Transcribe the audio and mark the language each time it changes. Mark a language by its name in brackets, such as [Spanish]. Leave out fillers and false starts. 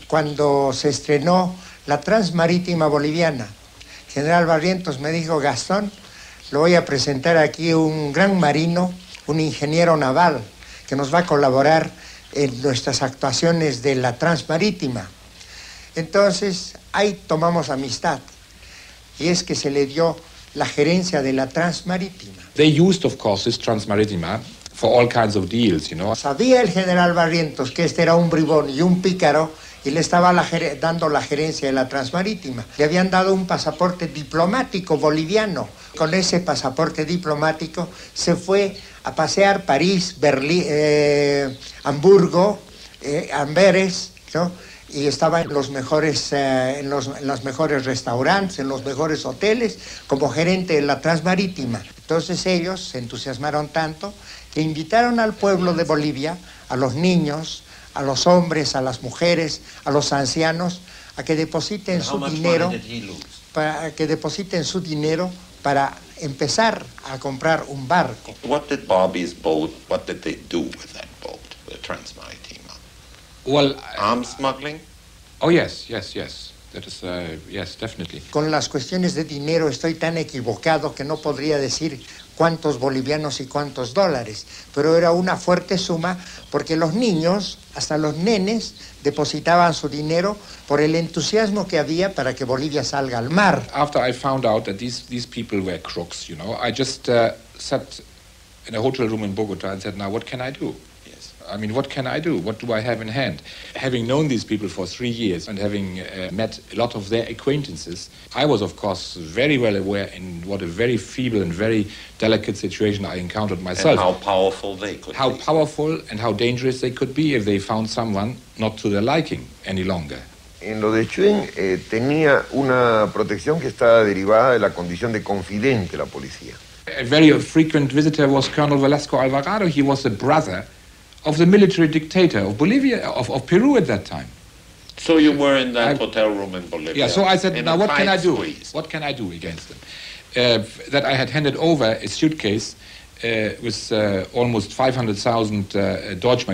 [Spanish] Cuando se estrenó la Transmarítima Boliviana, General Barrientos me dijo, Gastón, lo voy a presentar aquí un gran marino, un ingeniero naval, que nos va a colaborar en nuestras actuaciones de la Transmarítima. Entonces, ahí tomamos amistad. Y es que se le dio la gerencia de la Transmarítima. [English] They used, of course, this Transmarítima for all kinds of deals, you know. [Spanish] Sabía el general Barrientos que este era un bribón y un pícaro y le estaba dando la gerencia de la Transmarítima. Le habían dado un pasaporte diplomático boliviano. Con ese pasaporte diplomático se fue a pasear París, Berlín, Hamburgo, Amberes, ¿no? Y estaba en los mejores en los mejores restaurantes, en los mejores hoteles, como gerente de la Transmarítima. Entonces ellos se entusiasmaron tanto que invitaron al pueblo de Bolivia, a los niños, a los hombres, a las mujeres, a los ancianos, a que depositen su dinero para que depositen su dinero para empezar a comprar un barco. [English] What did Bobby's boat, what did they do with that boat, the Transmarítima? Well, arms smuggling? Oh, yes, yes, yes. That is, yes, definitely. [Spanish] Con las cuestiones de dinero estoy tan equivocado que no podría decir cuántos bolivianos y cuántos dólares. Pero era una fuerte suma porque los niños, hasta los nenes, depositaban su dinero por el entusiasmo que había para que Bolivia salga al mar. [English] After I found out that these people were crooks, you know, I just sat in a hotel room in Bogota and said, now, what can I do? I mean, what can I do? What do I have in hand? Having known these people for 3 years and having met a lot of their acquaintances, I was, of course, very well aware in what a very feeble and very delicate situation I encountered myself. And how powerful they could be. How powerful and how dangerous they could be if they found someone not to their liking any longer. [Spanish] En lo de Chuing, tenía una protección que estaba derivada de la condición de confidente la policía. [English] A very frequent visitor was Colonel Velasco Alvarado. He was a brother of the military dictator of Bolivia, of Peru at that time. So you were in that hotel room in Bolivia. Yeah, so I said, now what can I do? What can I do against them? That I had handed over a suitcase with almost 500,000 Deutschmark.